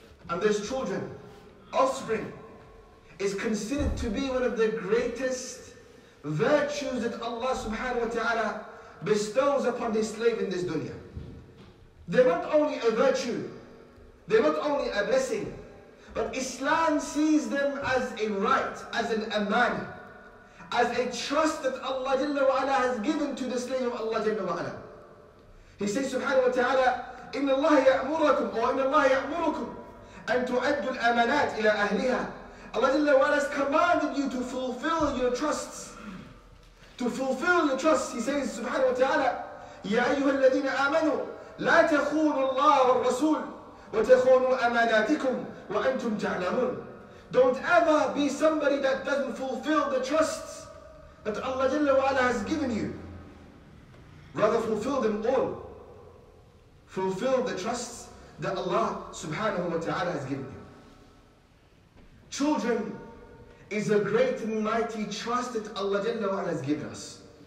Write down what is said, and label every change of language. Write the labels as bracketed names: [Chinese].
[English] And there's children, offspring, is considered to be one of the greatest virtues that Allah subhanahu wa ta'ala bestows upon his slave in this dunya. They're not only a virtue, they're not only a blessing, but Islam sees them as a right, as an aman, as a trust that Allah jalla wa ala has given to the slave of Allah jalla wa ala. He says subhanahu wa ta'ala, [Arabic] إِنَّ اللَّهَ يَأْمُرَكُمْ [English] or [Arabic] إِنَّ اللَّهَ يَأْمُرُكُمْ أَنْ تُعَدُّ الْأَمَانَاتِ إِلَىٰ أَهْلِهَا. [English] Allah Jalla wa Ala has commanded you to fulfill your trusts. To fulfill your trusts, he says subhanahu wa ta'ala, [Arabic] يَا أَيُّهَا الَّذِينَ آمَنُوا لَا تَخُونُوا اللَّهَ وَالرَّسُولِ وَتَخُونُوا أَمَانَاتِكُمْ وَأَنْتُمْ تَعْلَمُونَ. [English] Don't ever be somebody that doesn't fulfill the trusts that Allah Jalla wa Ala has given you. Rather fulfill them all. Fulfill the trusts that Allah subhanahu wa ta'ala has given you. Children is a great and mighty trust that Allah Jalla wa Ala has given us.